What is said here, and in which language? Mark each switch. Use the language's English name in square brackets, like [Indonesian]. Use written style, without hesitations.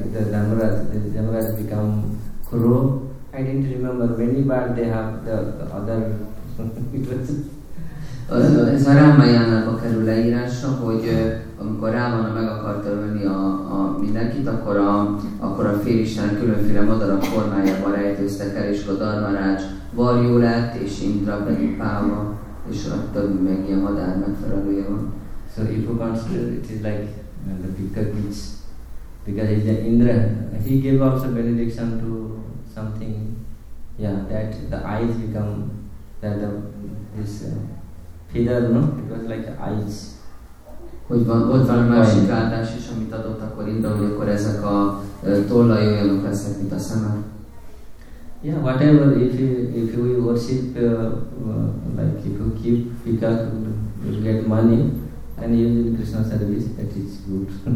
[English] The Yamaraj become crow. I didn't remember many bad they have the other. It was. [Hungarian] Ez a Rámajánába kerül leírása, hogy amikor Rámana meg akart ölni a mindenkit, akkor a félisten különféle madarak formájában rejtőztek el, és a Dharmarács Varjú lett, és Indra pedig páva, és a többi meg ilyen madár megfelelője van. [English] So if you consider it is like the peacock which, because it's Indra, he gave also benediction to something, yeah, that the eyes become, that the, this, feather, no? It was like eyes. [Hungarian] Hogy van, ott van a másik áldás is, amit adott akkor Indra, hogy akkor ezek a tollai olyanok lesznek, mint a szemek. [English] Yeah, whatever, if you worship, like if you keep peacock, you get money, and you use in Krishna service, that is good.